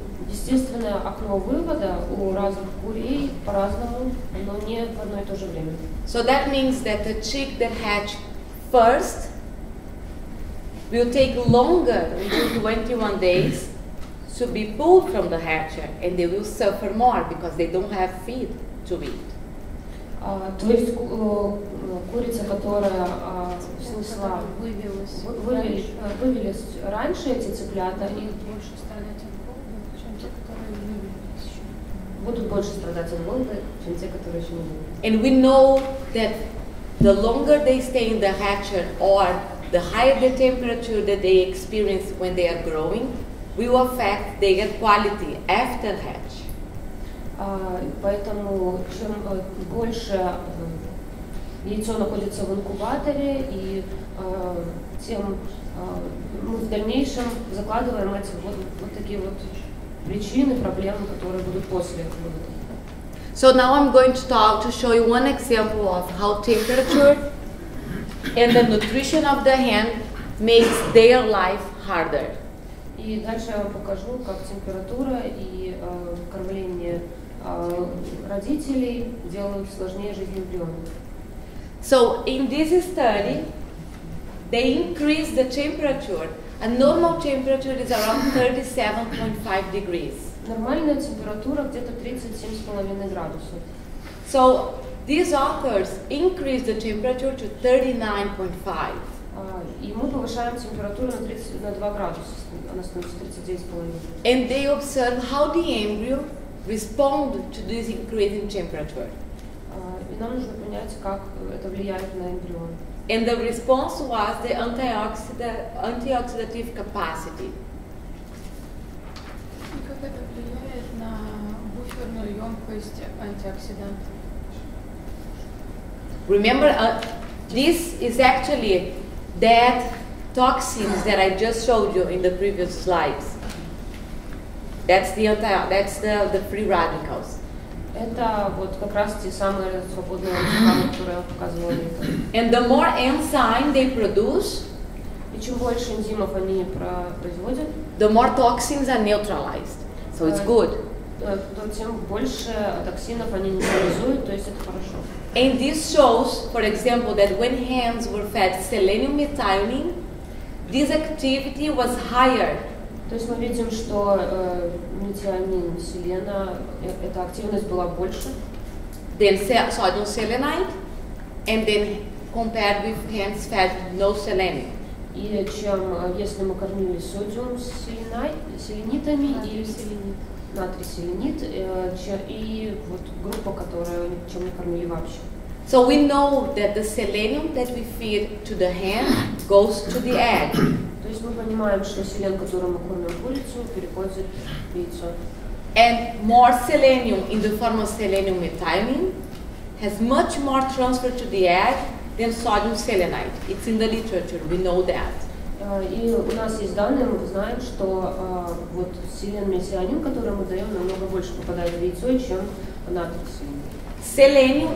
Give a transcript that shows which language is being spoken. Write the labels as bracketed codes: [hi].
[ru] Естественное окно вывода у разных курей по-разному, но не в одно и то же время. [en] So that means that the chick that hatched first will take longer, until 21 days, to be pulled from the hatcher, and they will suffer more because they don't have feed to eat. [ru] То есть курица, которая снесла, вывелись раньше эти цыплята, и больше страдать от голода, чем те, которые вывелись. Будут больше страдать от голода, чем те, которые еще не вывелись. [en] And we know that the longer they stay in the hatcher, or the higher the temperature that they experience when they are growing, will affect their quality after hatch. [ru] Поэтому чем больше яйцо находится в инкубаторе, и тем мы в дальнейшем закладываем эти вот такие вот причины, проблемы, которые будут после вывода. [en] So now I'm going to talk to show you one example of how temperature and the nutrition of the hen makes their life harder. [ru] И дальше я вам покажу, как температура и кормление родителей делают сложнее жизнь эмбриона. [en] So in this study, they increase the temperature. A normal temperature is around 37.5 degrees. [ru] Нормальная температура где-то 37.5 градусов. [en] So these authors increase the temperature to 39.5. [ru] И мы повышаем температуру на 2 градуса, она становится 39.5. [en] And they observe how the embryo respond to this increasing temperature. [ru] И нам нужно понять, как это влияет на эмбрион. [en] And the response was the antioxidative capacity. [ru] И как это влияет на буферную емкость антиоксидантов? [en] Remember, this is actually that toxins that I just showed you in the previous slides. That's the free radicals. [ru] Это вот как раз те самые свободные радикалы, которые показывали. [en] And the more enzyme they produce, [ru] и чем больше энзимов они производят, [en] the more toxins are neutralized. So it's good. [ru] Тем больше токсинов они нейтрализуют, то есть это хорошо. [en] And this shows, for example, that when hens were fed selenium methionine, this activity was higher. [ru] То есть мы видим, что метионин, селена, эта активность была больше. [en] Then sodium selenite, and then compared with hens fed no selen. [ru] И чем, если мы кормили содиум селенитами или селенит. Натрий селенит, и вот группа, которую чем мы кормили вообще. [en] So we know that the selenium that we feed to the hen goes to the egg. [ru] То есть мы понимаем, что селен, который мы кормим курицу, переходит в яйцо. [en] And more selenium in the form of selenium methionine has much more transfer to the egg than sodium selenite. It's in the literature, we know that. [ru] И у нас есть данные, мы знаем, что вот селен метионин, который мы даем, намного больше попадает в яйцо, чем натрий селенит.